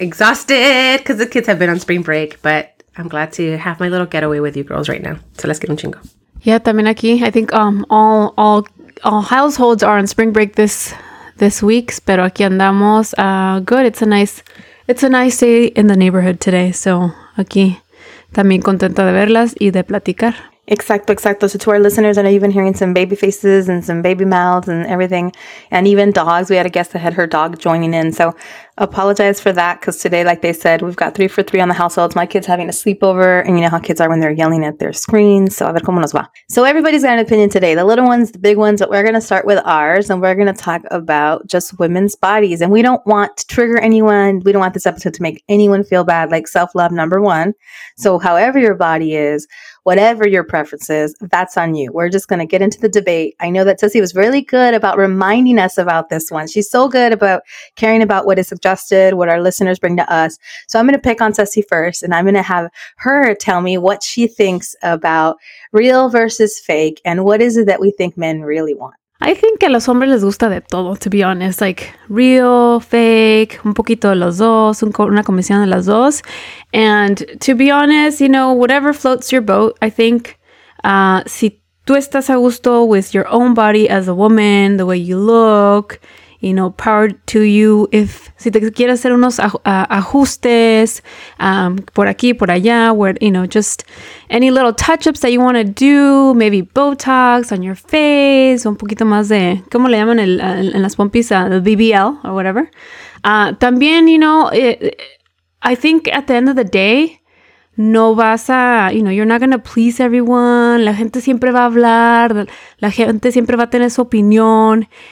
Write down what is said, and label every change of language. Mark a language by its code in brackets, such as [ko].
[en] Exhausted because the kids have been on spring break, but I'm glad to have my little getaway with you girls right now. So let's get [es] un chingo. [en] Yeah, [es] también aquí. [en] I think all households are on spring break this week, [es] pero aquí andamos. [en] Good. It's a nice day in the neighborhood today. [es] So aquí también contenta de verlas y de platicar. Exacto, exacto. [en] So to our listeners, I know you've been hearing some baby faces and some baby mouths and everything, and even dogs. We had a guest that had her dog joining in. So apologize for that, because today, like they said, we've got 3 for 3 on the household. My kid's having a sleepover, and you know how kids are when they're yelling at their screens. So [es] a ver cómo nos va. [en] So everybody's got an opinion today. The little ones, the big ones, but we're going to start with ours, and we're going to talk about just women's bodies. And we don't want to trigger anyone. We don't want this episode to make anyone feel bad, like self-love number one. So however your body is, whatever your preference is, that's on you. We're just going to get into the debate. I know that Ceci was really good about reminding us about this one. She's so good about caring about what is suggested, what our listeners bring to us. So I'm going to pick on Ceci first, and I'm going to have her tell me what she thinks about real versus fake, and what is it that we think men really want. I think [es] que a los hombres les gusta de todo, [en] to be honest. Like, real, fake, [es] un poquito de los dos, una comisión de las dos. [en] And to be honest, you know, whatever floats your boat, I think, [es] si tú estás a gusto [en] with your own body as a woman, the way you look, you know, power to you. If, [es] si te quieres hacer unos ajustes, por aquí, por allá, [en] where, you know, just any little touch-ups that you want to do, maybe Botox on your face, [es] un poquito más de, ¿cómo le llaman en las pompis? [en] The BBL or whatever. [es] También, [en] you know, I think at the end of the day, [es] no vas a, [en] you know, you're not going to please everyone. [es] La gente siempre va a hablar, la gente siempre va a tener su opinión.